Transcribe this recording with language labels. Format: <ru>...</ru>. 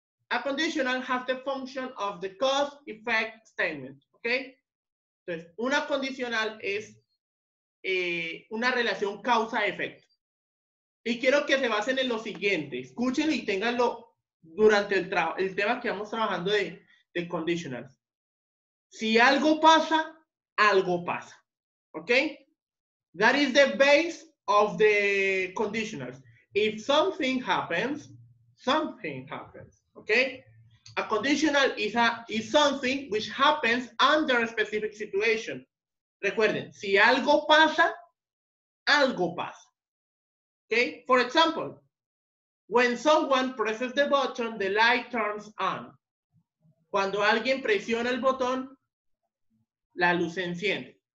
<en>A conditional has the function of the cause, effect, statement, okay?</en> <es>Entonces, una condicional es una relación causa-efecto. Y quiero que se basen en lo siguiente. Escúchenlo y ténganlo durante el tema que vamos trabajando de conditionals. Si algo pasa, algo pasa. ¿Ok?</es> <en>That is the base of the conditionals. If something happens, something happens. ¿Ok? A conditional is something which happens under a specific situation.</en> <es>Recuerden, si algo pasa, algo pasa.</es> <en>Okay, for example, when someone presses the button, the light turns on.</en> <es>Cuando alguien presiona el botón, la luz se enciende.</es>